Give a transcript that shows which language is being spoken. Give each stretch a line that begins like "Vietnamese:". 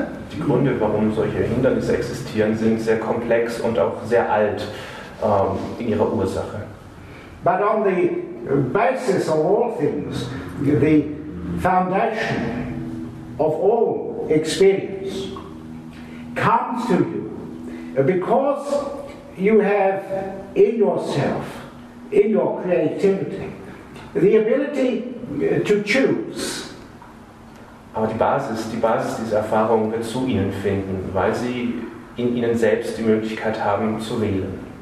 German: Die Gründe, warum solche Hindernisse existieren, sind sehr komplex und auch sehr alt in ihrer Ursache.
English: But on the basis of all things, the foundation of all experience comes to you because you have in yourself, in your creativity, The ability to choose.
German: Aber die Basis dieser Erfahrung wird zu ihnen finden, weil sie in ihnen selbst die Möglichkeit haben zu wählen.